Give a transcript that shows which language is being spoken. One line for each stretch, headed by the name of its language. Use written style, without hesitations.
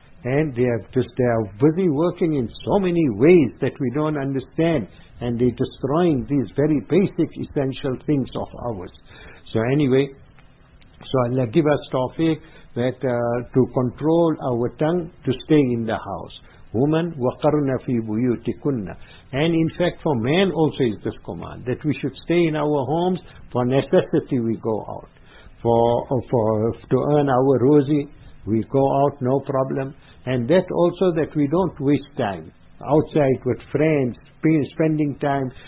English: And they are busy working in so many ways that we don't understand. And they're destroying these very basic essential things of ours. So anyway, so Allah give us tawfiq that to control our tongue, to stay in the house. Woman,
Arabic: وَقَرْنَ فِي بُيُوتِكُنَّ.
English: And in fact, for man also is this command, that we should stay in our homes. For necessity we go out. For to earn our rosy, we go out, no problem. And that also, that we don't waste time outside with friends, spending time.